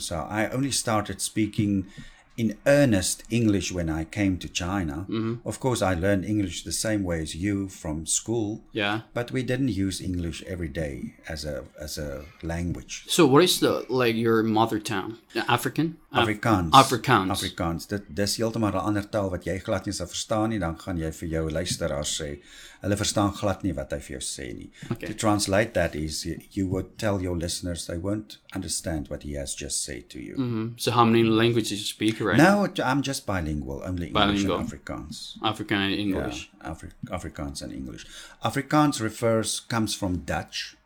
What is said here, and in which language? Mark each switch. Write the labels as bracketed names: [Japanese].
[English] So I only started speaking in earnest English when I came to China. Of course, I learned English the same way as you from school. Yeah. But we didn't use English every day as a language. So what is your mother tongue? African? Afrikaans. Afrikaans. Afrikaans. [Afrikaans] Dis heeltemal 'n ander taal wat jy glad nie sal verstaan nie, dan gaan jy vir jou luisteraars sê, hulle verstaan glad nie wat hy vir jou sê nie. [English] Okay. To translate that is, you would tell your listeners they won't understand what he has just said to you. Mm-hmm. So how many languages you speak right now? No, I'm just bilingual, only English and Afrikaans. African and English. Yeah, Afrikaans and English. Afrikaans comes from Dutch.